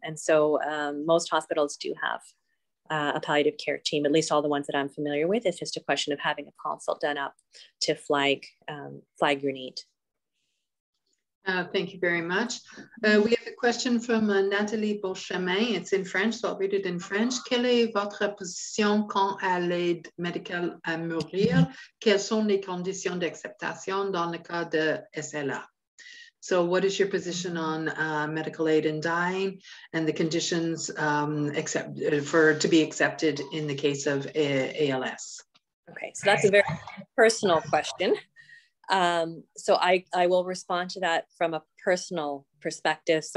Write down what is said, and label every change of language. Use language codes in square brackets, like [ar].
[en] And so most hospitals do have a palliative care team, at least all the ones that I'm familiar with. It's just a question of having a consult done up to flag your need. Thank you very much. We have a question from Nathalie Beauchemin. It's in French, so I'll read it in French. [fr] Quelle est votre position quant à l'aide médicale à mourir? Quelles sont les conditions d'acceptation dans le cas de SLA? [en] So what is your position on medical aid in dying and the conditions to be accepted in the case of ALS? Okay, so that's a very personal question. So I will respond to that from a personal perspective.